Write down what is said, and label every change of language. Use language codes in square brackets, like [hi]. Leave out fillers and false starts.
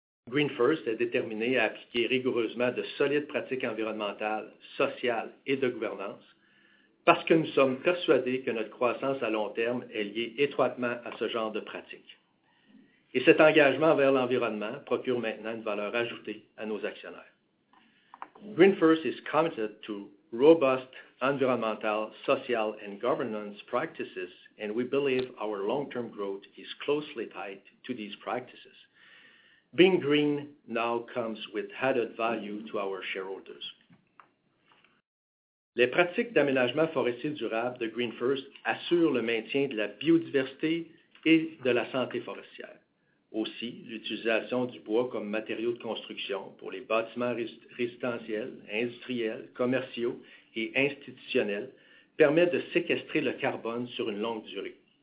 [fr] GreenFirst est déterminé à appliquer rigoureusement de solides pratiques environnementales, sociales et de gouvernance, parce que nous sommes persuadés que notre croissance à long terme est liée étroitement à ce genre de pratiques. Et cet engagement vers l'environnement procure maintenant une valeur ajoutée à nos actionnaires. [en] GreenFirst is committed to robust environmental, social and governance practices, and we believe our long-term growth is closely tied to these practices. Being green now comes with added value to our shareholders. [fr] Les pratiques d'aménagement forestier durable de GreenFirst assurent le maintien de la biodiversité et de la santé forestière. Aussi, l'utilisation du bois comme matériau de construction pour les bâtiments résidentiels, industriels, commerciaux et institutionnels permet de séquestrer le carbone sur une longue durée.